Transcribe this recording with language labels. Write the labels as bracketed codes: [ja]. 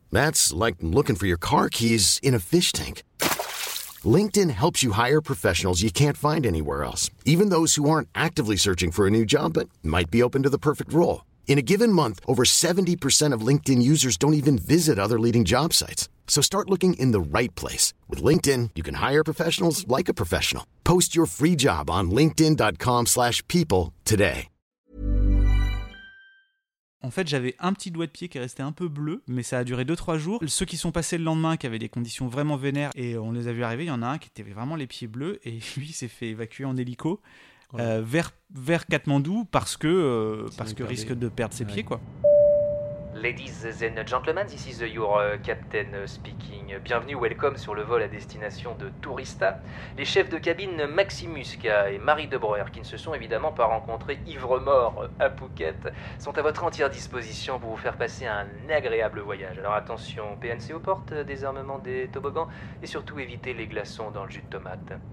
[en] That's like looking for your car keys in a fish tank. LinkedIn helps you hire professionals you can't find anywhere else, even those who aren't actively searching for a new job but might be open to the perfect role. In a given month, over 70% of LinkedIn users don't even visit other leading job sites. So start looking in the right place. With LinkedIn, you can hire professionals like a professional. Post your free job on linkedin.com/people today. [fr] En fait, j'avais un petit doigt de pied qui est resté un peu bleu, mais ça a duré 2-3 jours. Ceux qui sont passés le lendemain, qui avaient des conditions vraiment vénères, et on les a vus arriver, il y en a un qui était vraiment les pieds bleus, et lui s'est fait évacuer en hélico, ouais. vers Katmandou, parce que risque de perdre ses pieds, quoi. [en] Ladies and gentlemen, this is your captain speaking. [fr] Bienvenue, welcome sur le vol à destination de Tourista. Les chefs de cabine Maximuska et Marie De Breuer, qui ne se sont évidemment pas rencontrés ivre-mort à Phuket, sont à votre entière disposition pour vous faire passer un agréable voyage. Alors attention, PNC aux portes, désarmement des toboggans, et surtout évitez les glaçons dans le jus de tomate.